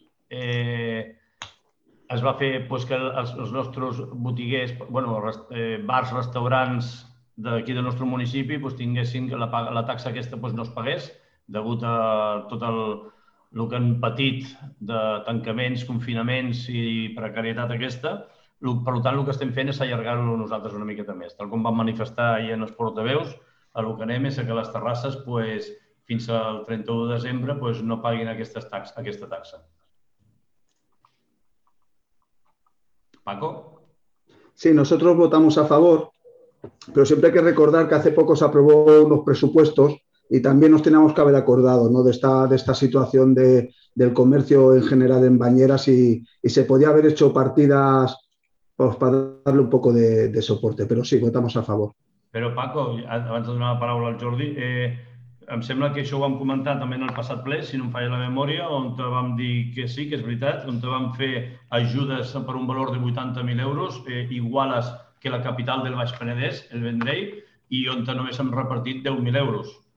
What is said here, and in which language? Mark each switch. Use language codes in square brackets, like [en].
[ca] Es va fer pues, que els nostres botiguers, bueno, bars, restaurants d'aquí del nostre municipi pues, tinguessin que la taxa aquesta pues, no es pagués degut a tot el que han patit de tancaments, confinaments i precarietat aquesta. Per tant, el que estem fent és allargar-ho nosaltres una miqueta més. Tal com vam manifestar ahir en els portaveus, el que anem és que les terrasses pues, fins al 31 de desembre pues, no paguin aquesta taxa. Paco? [es] Sí, nosotros votamos a favor, pero siempre hay que recordar que hace poco se aprobó unos presupuestos y también nos teníamos que haber acordado, ¿no?, de esta situación del comercio en general en Bañeras y se podía haber hecho partidas pues, para darle un poco de soporte, pero sí, votamos a favor. [ca] Pero Paco, abans de donar la paraula al Jordi, em sembla que això ho vam comentar també en el passat ple, si no em falla la memòria, on te vam dir que sí, que és veritat, on te vam fer ajudes per un valor de 80.000 euros, iguales que la capital del Baix Penedès, el Vendrell, i on te només hem repartit 10.000 euros.